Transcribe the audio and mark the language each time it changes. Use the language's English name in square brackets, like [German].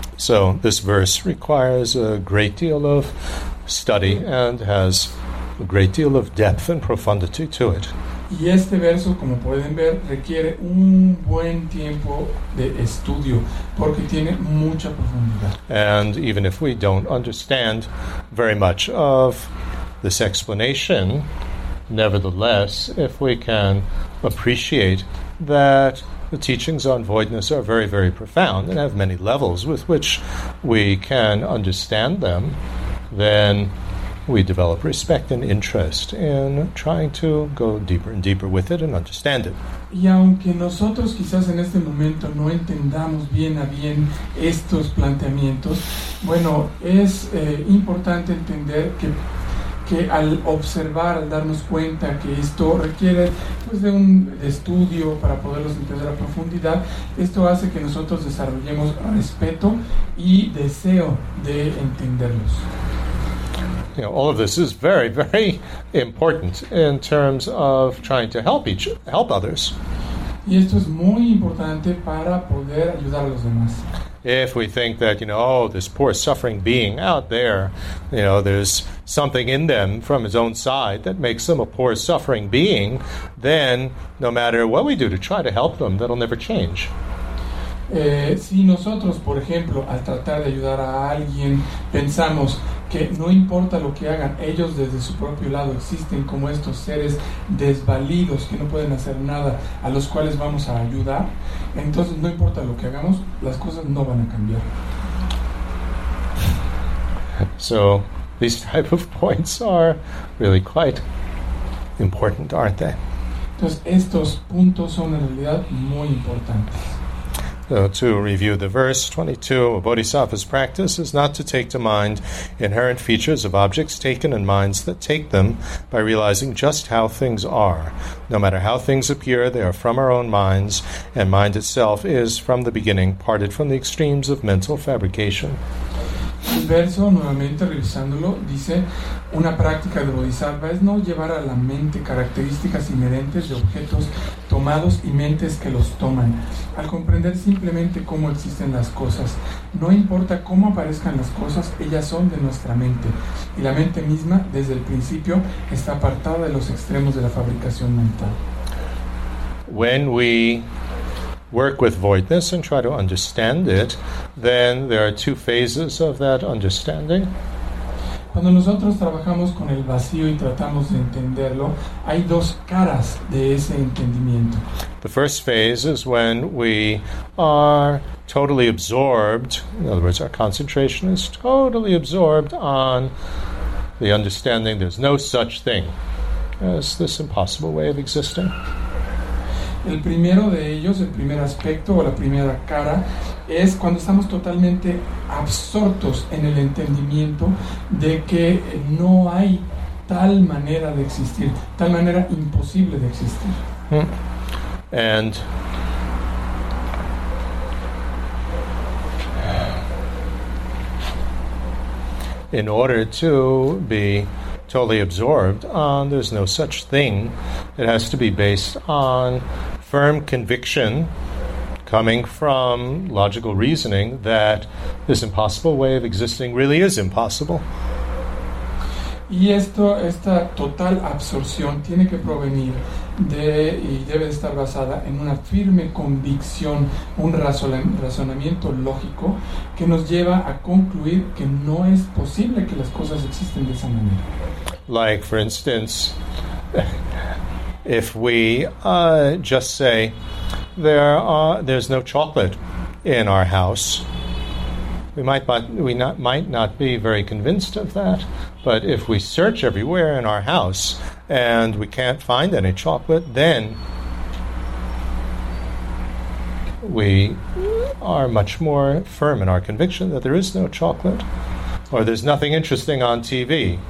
[English] So, this verse requires a great deal of study and has a great deal of depth and profundity to it. [Spanish] Y este verso, como pueden ver, requiere un buen tiempo de estudio porque tiene mucha profundidad. [English] And even if we don't understand very much of this explanation, nevertheless, if we can appreciate that the teachings on voidness are very, very profound and have many levels with which we can understand them, then we develop respect and interest in trying to go deeper and deeper with it and understand it. [Spanish] Y aunque nosotros quizás en este momento no entendamos bien a bien estos planteamientos, bueno, es importante entender que al observar, al darnos cuenta que esto requiere pues de un estudio para poderlos entender a profundidad, esto hace que nosotros desarrollemos respeto y deseo de entenderlos. [English] You know, all of this is very, very important in terms of trying to help others. [Spanish] Y esto es muy importante para poder ayudar a los demás. [English] If we think that, you know, oh, this poor suffering being out there, you know, there's something in them from his own side that makes them a poor suffering being, then no matter what we do to try to help them, that'll never change. [Spanish] Si nosotros, por ejemplo, al tratar de ayudar a alguien, pensamos que no importa lo que hagan, ellos desde su propio lado existen como estos seres desvalidos que no pueden hacer nada, a los cuales vamos a ayudar, entonces no importa lo que hagamos, las cosas no van a cambiar. [English] So, these type of points are really quite important, aren't they? [Spanish] Entonces, estos puntos son en realidad muy importantes. [English] So to review the verse 22, a bodhisattva's practice is not to take to mind inherent features of objects taken and minds that take them by realizing just how things are. No matter how things appear, they are from our own minds, and mind itself is from the beginning parted from the extremes of mental fabrication. [Spanish] El verso, nuevamente revisándolo, dice: una práctica de bodhisattva es no llevar a la mente características inherentes de objetos tomados y mentes que los toman. Al comprender simplemente cómo existen las cosas, no importa cómo aparezcan las cosas, ellas son de nuestra mente. Y la mente misma, desde el principio, está apartada de los extremos de la fabricación mental. [English] When we work with voidness and try to understand it, then there are two phases of that understanding. [Spanish] Cuando nosotros trabajamos con el vacío y tratamos de entenderlo, hay dos caras de ese entendimiento. [English] The first phase is when we are totally absorbed, in other words, our concentration is totally absorbed on the understanding there's no such thing as this impossible way of existing. [Spanish] El primero de ellos, el primer aspecto o la primera cara, es cuando estamos totalmente absortos en el entendimiento de que no hay tal manera de existir, tal manera imposible de existir. [English] And in order to be totally absorbed on there's no such thing, it has to be based on firm conviction coming from logical reasoning that this impossible way of existing really is impossible. [Spanish] Y esta total absorción tiene que provenir de y debe estar basada en una firme convicción, un razonamiento lógico que nos lleva a concluir que no es posible que las cosas existen de esa manera. [English] Like, for instance, if we just say there's no chocolate in our house, we might not be very convinced of that. But if we search everywhere in our house and we can't find any chocolate, then we are much more firm in our conviction that there is no chocolate, or there's nothing interesting on TV.